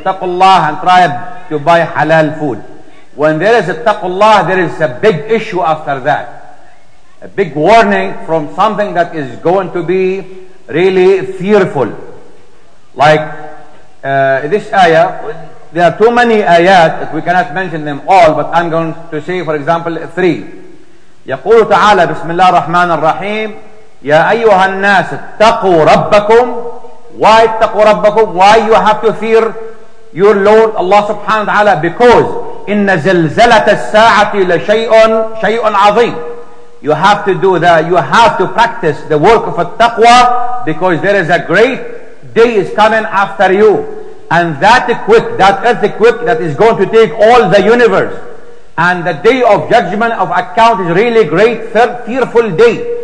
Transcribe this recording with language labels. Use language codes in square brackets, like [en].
[ar] اتقوا الله [en] and try to buy halal food. When there is اتقوا الله, there is a big issue after that. A big warning from something that is going to be really fearful. Like this ayah, there are too many ayat that we cannot mention them all, but I'm going to say, for example, three. [ar] يقول تعالى بسم الله الرحمن الرحيم: يا أيها الناس اتقوا ربكم. [en] Why [ar] اتقوا ربكم? [en] Why you have to fear your Lord Allah subhanahu wa ta'ala? Because [ar] إن زلزلة الساعة لشيء شيء عظيم. [en] You have to do that. You have to practice the work of التقوى, because there is a great day is coming after you. And that quick, that earthquake that is going to take all the universe. And the day of judgment of account is really great, fearful day.